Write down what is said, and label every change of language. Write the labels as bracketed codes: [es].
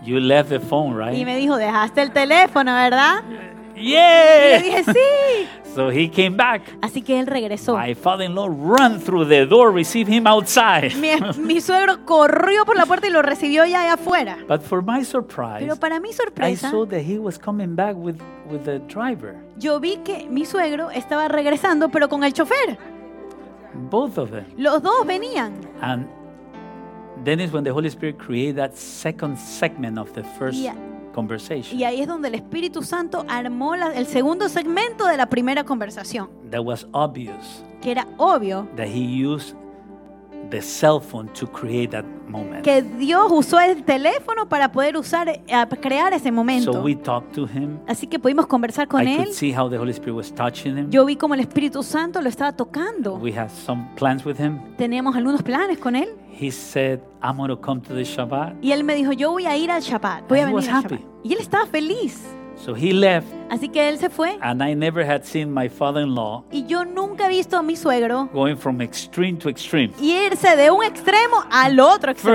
[en] You left the phone, right? [es] Y me dijo, dejaste el teléfono, ¿verdad? [en] Yeah. [es] Y le dije, sí. [en] So he came back. [es] Así que él regresó. [en] My father-in-law ran through the door, received him outside. [es] Mi suegro corrió por la puerta y lo recibió ya allá afuera. [en] But for my surprise, [es] pero para mi sorpresa, [en] I saw that he was coming back with the driver. [es] Yo vi que mi suegro estaba regresando, pero con el chofer. [en] Both of them. [es] Los dos venían. [en] And then is when the Holy Spirit created that second segment of the first. Yeah. conversation. [es] Y ahí es donde el Espíritu Santo armó el segundo segmento de la primera conversación. [en] That was obvious. [es] Que era obvio. [en] That he used the cell phone to create that moment. [es] Que Dios usó el teléfono para poder usar crear ese momento. [en] So we talked to him. [es] Así que pudimos conversar con [en] I [es] él. [en] I could see how the Holy Spirit was touching him. [es] Yo vi como el Espíritu Santo lo estaba tocando. [en] We had some plans with him. [es] Teníamos algunos planes con él. [en] He said, "I'm going to come to the Shabbat." [es] Y él me dijo, "Yo voy a ir al Shabbat. Voy [en] And [es] a venir al Shabbat." Y él estaba feliz. [en] So he left. [es] Así que él se fue. [en] And I never had seen my father-in-law. [es] Y yo nunca he visto a mi suegro. [en] Going from extreme to extreme. [es] Y irse de un extremo al otro extremo.